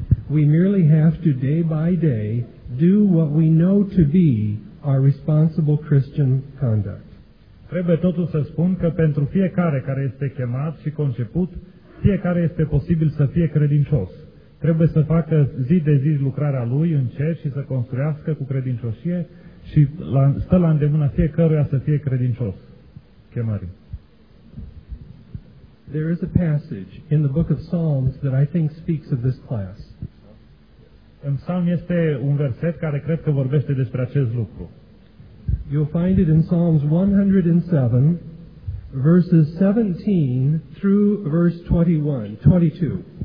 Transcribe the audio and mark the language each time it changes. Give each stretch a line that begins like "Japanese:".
English: We merely have to day by day do what we know to be our responsible Christian conduct.
Romanian: Trebuie totuși să spun că pentru fiecare care este chemat și conceput, fiecare este posibil să fie credincios. Trebuie să facă zi de zi lucrarea lui în cer și să construiască cu credincioșie și stă la îndemână fiecăruia să fie credincios chemării.
English: There is a passage in the book of Psalms that I think speaks of this class.
Romanian: În Psalm este un verset care cred că vorbește despre acest lucru.
English: You'll find it in Psalms 107, verses 17 through verse 21, 22.